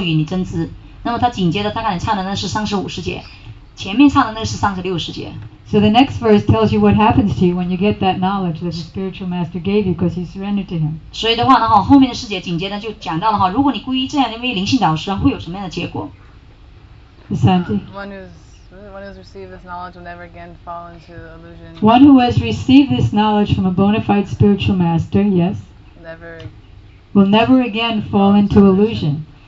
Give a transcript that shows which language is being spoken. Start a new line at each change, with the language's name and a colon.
Chinese: 那么前面就是说第四章的34节的话就提到一个人应该去靠近一个觉悟的灵性导师因为他已经面见人真理所以能够授予你真知那么他紧接着他刚才唱的那是35节 前面唱的那是36节
English: So the next verse tells you what happens to you when you get that knowledge that the spiritual master gave you because you surrendered to him.
Chinese: 所以的话后面的世界紧接着就讲到如果你皈依这样的一位灵性导师会有什么样的结果
English: Vasanti One who has received this knowledge will never again fall into illusion. One who has received this knowledge from a bona fide spiritual master, yes, will never again fall into illusion.